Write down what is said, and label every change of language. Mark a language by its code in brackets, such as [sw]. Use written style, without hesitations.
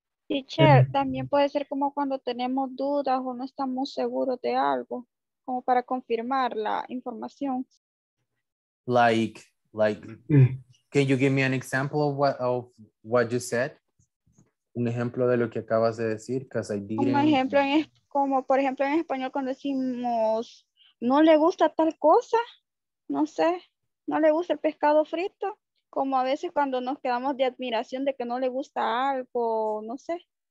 [es] Teacher, también puede ser como cuando tenemos dudas o no estamos seguros de algo, como para confirmar la información. [en] Like, can you give me an example of what you said? [es] Un ejemplo de lo que acabas de decir, [en] because I didn't. [es] Un ejemplo es como, por ejemplo, en español cuando decimos, no le gusta tal cosa, no sé, no le gusta el pescado frito, como a veces cuando nos quedamos de admiración de que no le gusta algo, no sé.